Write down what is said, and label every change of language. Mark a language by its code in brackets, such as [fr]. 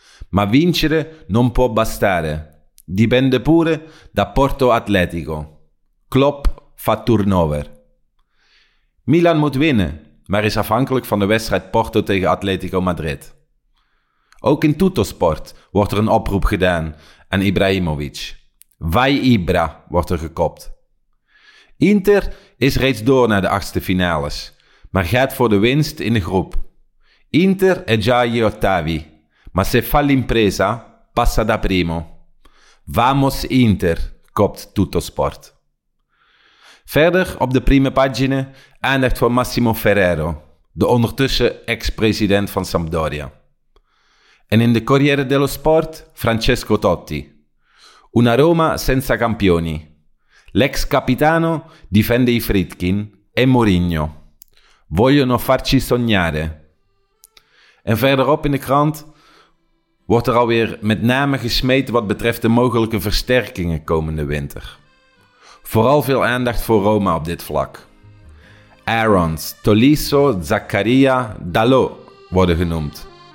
[it] Ma vincere non può bastare, dipende pure da Porto Atletico. Klopp fa turnover. [nl] Milan moet winnen, maar is afhankelijk van de wedstrijd Porto tegen Atletico Madrid. Ook in Tuttosport wordt er een oproep gedaan aan Ibrahimovic. [it] Vai Ibra [nl] wordt er gekopt. Inter is reeds door naar de achtste finales, maar gaat voor de winst in de groep. [it] Inter è già agli ottavi, ma se fa l'impresa, passa da primo. [es] Vamos Inter, [nl] kopt Tuttosport. Verder op de [it] prime pagina [nl] aandacht voor Massimo Ferrero, de ondertussen ex-president van Sampdoria. En in de Corriere dello Sport, Francesco Totti. [it] Una Roma senza campioni. L'ex capitano difende i Friedkin e Mourinho. Vogliono farci sognare. [nl] En verderop in de krant wordt er alweer met name gesmeten wat betreft de mogelijke versterkingen komende winter. Vooral veel aandacht voor Roma op dit vlak. Aarons, Tolisso, Zaccaria, Dalot worden genoemd.